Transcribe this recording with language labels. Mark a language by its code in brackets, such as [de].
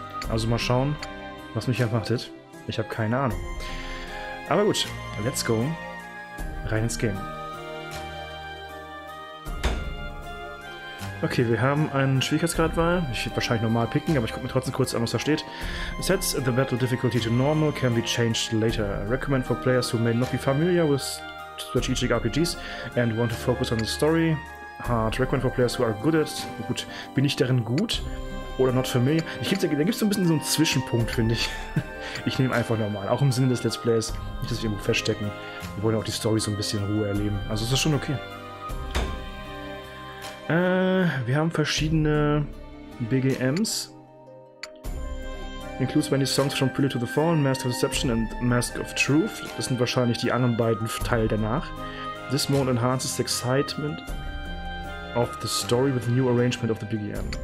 [de] Also mal schauen, was mich erwartet. Ich habe keine Ahnung. Aber gut, [en] let's go. [de] Rein ins Game. Okay, wir haben einen Schwierigkeitsgradwahl. Ich werde wahrscheinlich normal picken, aber ich gucke mir trotzdem kurz an, was da steht. [en] Sets the battle difficulty to normal, can be changed later. Recommend for players who may not be familiar with strategic RPGs and want to focus on the story. Hard. Recommend for players who are good at... [de] Gut, bin ich darin gut? Oder [en] not familiar? [de] Da gibt es so ein bisschen so einen Zwischenpunkt, finde ich. Ich nehme einfach normal. Auch im Sinne des Let's Players. Nicht, dass wir irgendwo feststecken. Wir wollen auch die Story so ein bisschen in Ruhe erleben. Also ist das schon okay. Wir haben verschiedene BGMs. [en] Includes many songs from Prelude to the Fallen, Mask of Deception and Mask of Truth. [de] Das sind wahrscheinlich die anderen beiden Teile danach. [en] This mode enhances the excitement of the story with a new arrangement of the BGM.